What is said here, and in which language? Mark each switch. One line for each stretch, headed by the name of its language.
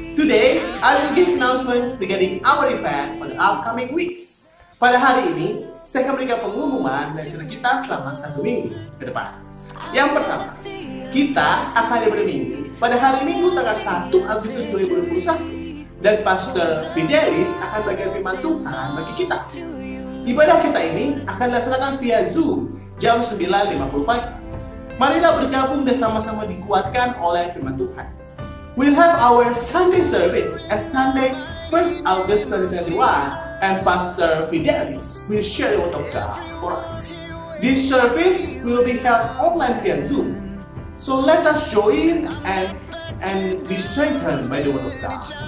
English: Today I will give announcement regarding our event for the upcoming weeks.
Indonesian: Pada hari ini saya akan memberikan pengumuman dan cerita kita selama satu minggu ke depan. Yang pertama, kita akan diberi minggu pada hari Minggu tanggal 1 Agustus 2021. Dan Pastor Fidelis akan bagikan firman Tuhan bagi kita. Ibadah kita ini akan dilaksanakan via Zoom jam 9.50 pagi. Marilah bergabung dan sama-sama dikuatkan oleh firman Tuhan.
English: We'll have our Sunday service at Sunday 1st August 2021 and Pastor Fidelis will share the word of God for us. This service will be held online via Zoom. So let us join and be strengthened by the word of God.